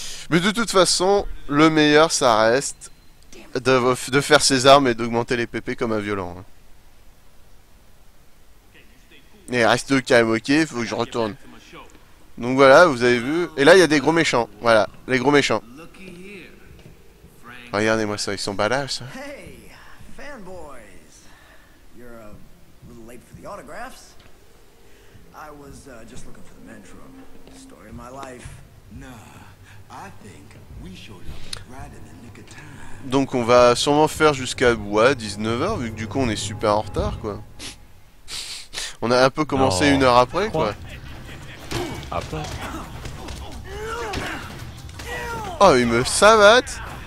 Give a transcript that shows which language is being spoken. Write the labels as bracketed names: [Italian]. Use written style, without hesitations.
[French] Mais de toute façon, le meilleur, ça reste de faire ses armes et d'augmenter les PP comme un violent. Et reste calme, ok, faut que je retourne. Donc voilà, vous avez vu. Et là, il y a des gros méchants. Voilà, les gros méchants. Regardez-moi ça, ils sont badass. Hein. [English] Hey, fanboys. You're a little late for the autographs. I was just looking for the men's room. Story of my life. Nah, I think we showed up right in the nick of time. [French] Donc on va sûrement faire jusqu'à 19h, vu que du coup on est super en retard, quoi. On a un peu commencé une heure après, quoi. Après. Oh, il me savate.